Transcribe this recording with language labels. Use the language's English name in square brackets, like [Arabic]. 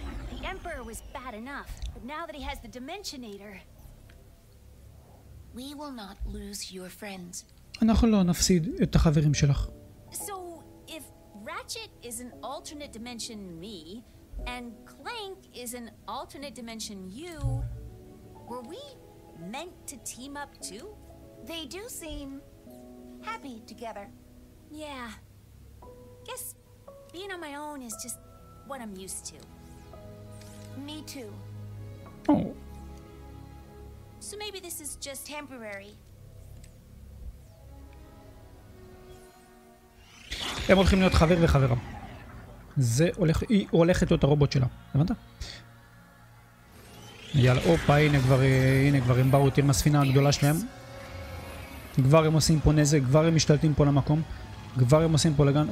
[English] The emperor was bad enough, but now that he has the dimensionator, we will not lose your friends. [Hebrew] אנחנו לא נפסיד את החברים שלך. [English] So if Ratchet is an alternate dimension me and Clank is an alternate dimension you, were we meant to team up too? They do seem happy together. Yeah. Guess being on my own is just what I'm used to. Me too. Oh. So maybe this is just temporary. [Hebrew] הם הולכים להיות חבר וחברה. זה הולך, היא הולכת להיות הרובוט שלה. הבנת? יאללה, אופה, הנה כבר הם באו, תראה מהספינה הגדולה שלהם. כבר הם עושים פה נזק, כבר הם משתלטים פה למקום. כבר הם עושים פה לגן.